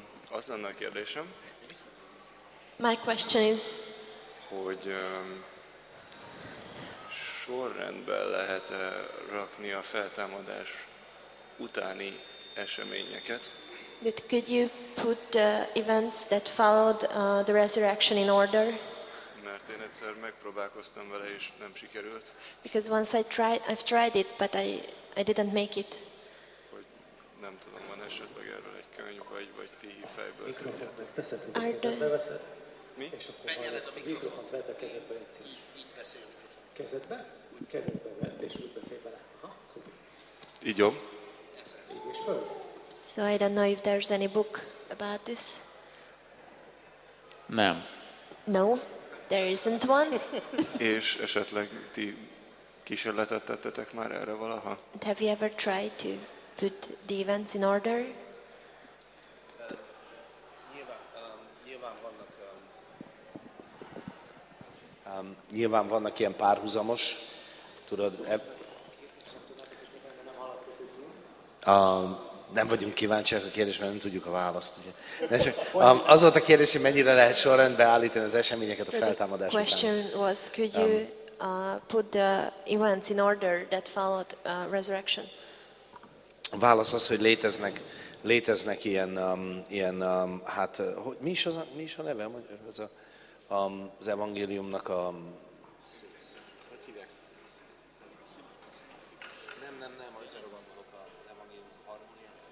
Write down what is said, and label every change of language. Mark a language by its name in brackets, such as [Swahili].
[Hungarian] Az lenne a kérdésem. [English] My question is, [Hungarian] hogy sorrendben lehet-e rakni a feltámadás utáni eseményeket? [English] But could you put the events that followed the resurrection in order? [Hungarian] Mert én egyszer megpróbálkoztam vele, és nem sikerült. [English] Because once I've tried it, but I didn't make it. [Hungarian] Hogy nem tudom, van esetleg erről egy könyv, vagy ti fejből. Mi? És akkor [English] So I don't know if there's any book about this. [Hungarian] Nem. [English] No, there isn't one. [Hungarian] És esetleg ti kísérletet tettetek már erre valaha? [English] Have you ever tried to put the events in order? [Hungarian] Nyilván vannak ilyen párhuzamos, tudod, nem vagyunk kíváncsiak a kérdés, mert nem tudjuk a választ. Az volt a kérdés, hogy mennyire lehet sorrendbe állítani az eseményeket a feltámadás után. [English] The question was, could you put the events in order that followed resurrection? [Hungarian] A válasz az, hogy léteznek mi is a neve? Az evangéliumnak a... Nem, az erről gondolok, az evangélium harmónia.